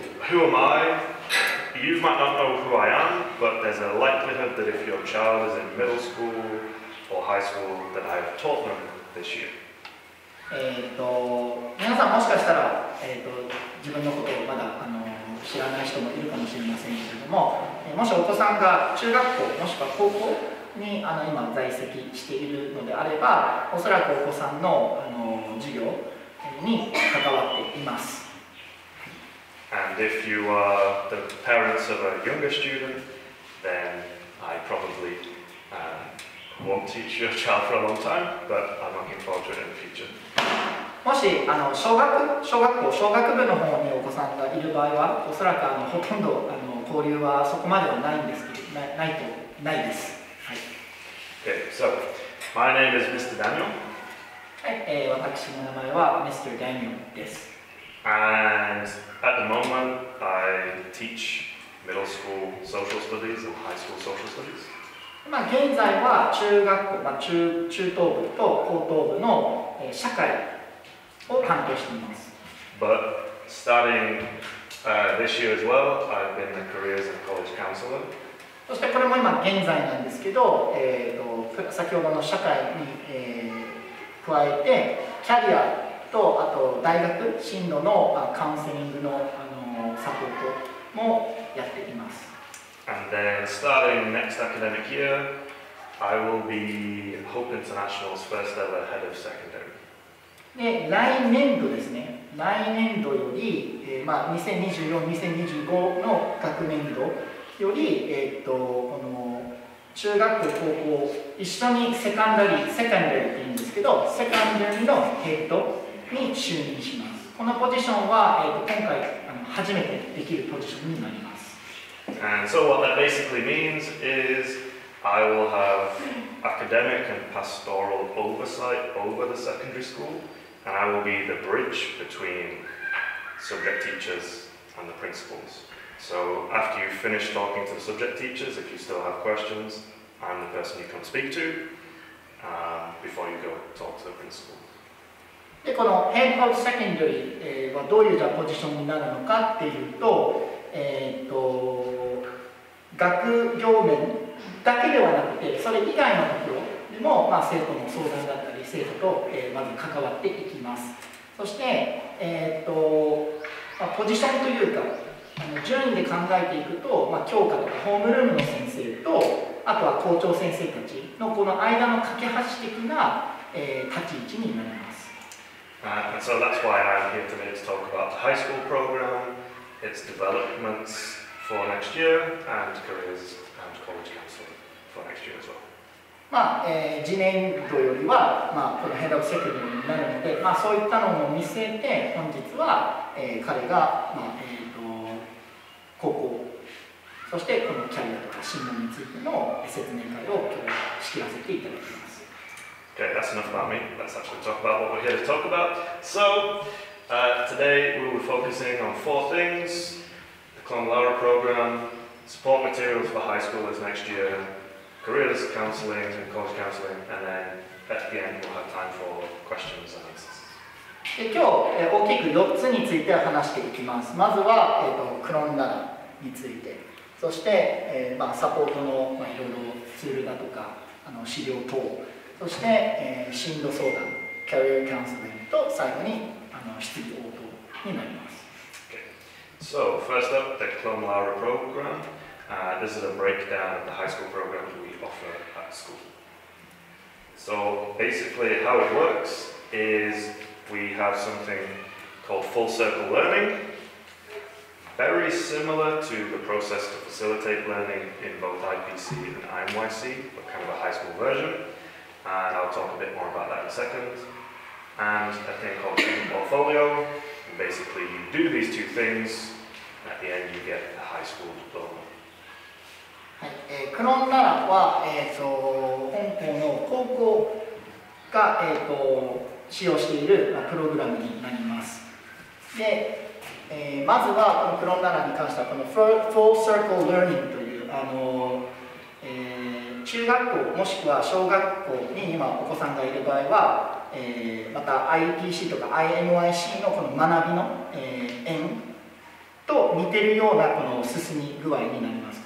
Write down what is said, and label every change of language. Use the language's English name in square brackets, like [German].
[English] Who am I? You might not know who I am, but there's a likelihood that if your child is in middle school or high school that I have taught them this year. [Japanese] 皆さんもしかしたら、自分のことをまだ知らない人もいるかもしれませんけれども、もしお子さんが中学校もしくは高校に今在籍しているのであれば、おそらくお子さんの授業に関わっています。 [English] And if you are the parents of a younger student, then I probably won't teach your child for a long time, but I'm looking forward to it in the future. [Japanese] もし小学部の方にお子さんがいる場合は、おそらくほとんど交流はそこまではないんですけど、ないです。はい。 [English] Okay, so my name is Mr. Daniel. [Japanese] はい、私の名前は Mr. Daniel です。 [English] And at the moment, I teach middle school social studies and high school social studies. [Japanese] 現在は中学校、中等部と高等部の社会を担当しています。 [English] But starting this year as well, I've been the careers and college counselor. [Japanese] そしてこれも今現在なんですけど、先ほどの社会に、加えてキャリアとあと大学進路のカウンセリングの、サポートもやっています。 [English] And then starting next academic year, I will be Hope International's first ever head of secondary. [Japanese] 来年度ですね。来年度より、2024-2025 の学年度より、この中学校、高校、一緒にセカンダリー、セカンダリーって言うんですけど、セカンダリーのヘッドに就任します。このポジションは、今回初めてできるポジションになります。 [English] And so what that basically means is I will have academic and pastoral oversight over the secondary school, and I will be the bridge between subject teachers and the principals. So after you finish talking to the subject teachers, if you still have questions, I'm the person you come speak to before you go talk to the principal. [Japanese] で、このヘッドセカンダリーはどういうポジションになるのかっていうと、学業面だけではなくて、それ以外のところでも、生徒の相談だったり、生徒と、まず関わっていきます。そして、ポジションというか、順位で考えていくと、教科とかホームルームの先生と、あとは校長先生たちのこの間の架け橋的な、立ち位置になります。 [English] And so that's why I'm here today to talk about the high school program, its developments for next year, and careers and college counseling for next year as well. [Japanese] まあ、次年度よりは、まあ、このヘッドオブセクリティになるので、まあ、そういったのも見据えて本日は、彼が、まあ高校そしてこのキャリアとか進路についての説明会を今日仕切らせていただきます。 [English] Okay, that's enough about me. Let's actually talk about what we're here to talk about. So, today we'll be focusing on four things. The Cum Laude program, support materials for high schoolers next year,careers counseling and college counseling, and then at the end we'll have time for questions and answers. [Japanese] で今日大きく4つについて話していきます。まずはクロンダラについて、そして、まあ、サポートの、まあ、いろいろツールだとか資料等、そして、進路相談、キャリアカウンセリングと最後に質疑応答になります。 [English] Okay. So first up, the Cum Laude program. This is a breakdown of the high school program that we offer at school. So basically how it works is we have something called full circle learning, very similar to the process to facilitate learning in both IPC and IMYC, but kind of a high school version. And I'll talk a bit more about that in a second. And a thing called student portfolio. And basically you do these two things, and at the end you get a high school diploma. [Japanese] はい、クロンダラは、本校の高校が、使用している、まあ、プログラムになります。で、まずはこのクロンダラに関してはこの Full Circle Learning という中学校もしくは小学校に今お子さんがいる場合は、また IPC とか IMYC のこの学びの、円と似てるようなこの進み具合になります。